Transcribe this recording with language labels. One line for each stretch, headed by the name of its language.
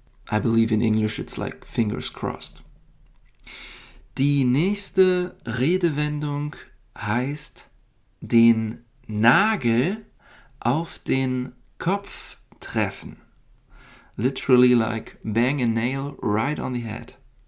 English: I believe in English it's like fingers crossed.
German: Die nächste Redewendung heißt den Nagel auf den Kopf treffen.
English: Literally like bang a nail right on the head.